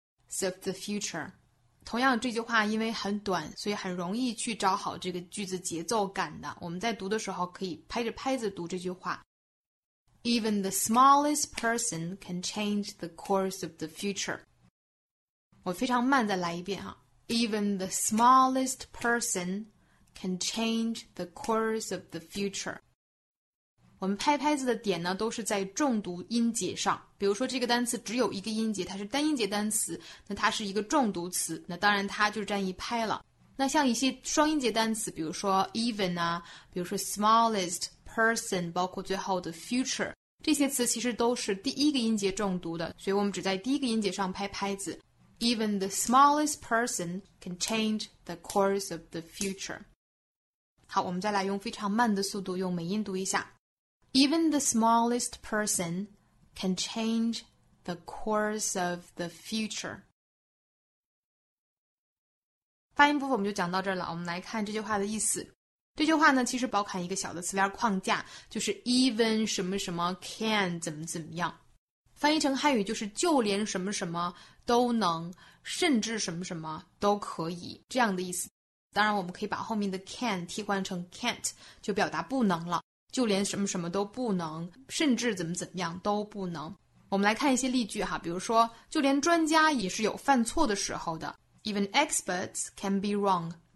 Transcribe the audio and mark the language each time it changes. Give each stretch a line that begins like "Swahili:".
Chinese: future 同样这句话因为很短所以很容易去找好这个句子节奏感的我们在读的时候可以拍着拍子读这句话
English: even the smallest person can change the course of the futureWe
Chinese: 非常慢再来一遍啊。
English: Even the smallest person can change the course of the future.
Chinese: 我们拍拍子的点呢都是在重读音节上。比如说这个单词只有一个音节它是单音节单词那它是一个重读词那当然它就占一拍了。那像一些双音节单词比如说 even 啊比如说 smallest person, 包括最后的 future, 这些词其实都是第一个音节重读的所以我们只在第一个音节上拍拍子。
English: Even the smallest person can change the course of the future.
Chinese: 好，我们再来用非常慢的速度，用美音读一下。
English: Even the smallest person can change the course of the future.
Chinese: 发音部分我们就讲到这儿了，我们来看这句话的意思。这句话呢，其实包含一个小的词链框架，就是 even 什么什么 can 怎么怎么样。翻译成汉语就是就连什么什么都能甚至什么什么都可以这样的意思当然我们可以把后面的 can 替换成 can't 就表达不能了就连什么什么都不能甚至怎么怎么样都不能我们来看一些例句哈比如说就连专家也是有犯错的时候的
English: even experts can be wrong